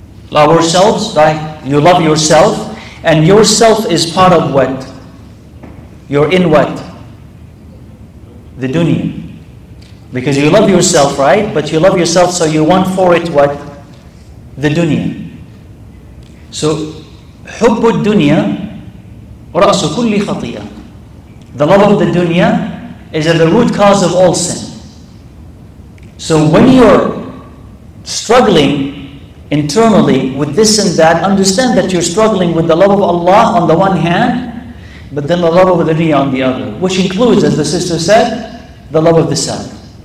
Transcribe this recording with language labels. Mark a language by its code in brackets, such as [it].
[en] Love ourselves, right? You love yourself. And yourself is part of what? You're in what? The dunya. Because you love yourself, right? But you love yourself, so you want for it what? The dunya. [ar] So, حب الدنيا ورأس كل خطية. [en] The love of the dunya is at the root cause of all sin. So when you're struggling internally with this and that, understand that you're struggling with the love of Allah on the one hand, but then the love of the dunya on the other, which includes, as the sister said, the love of the self.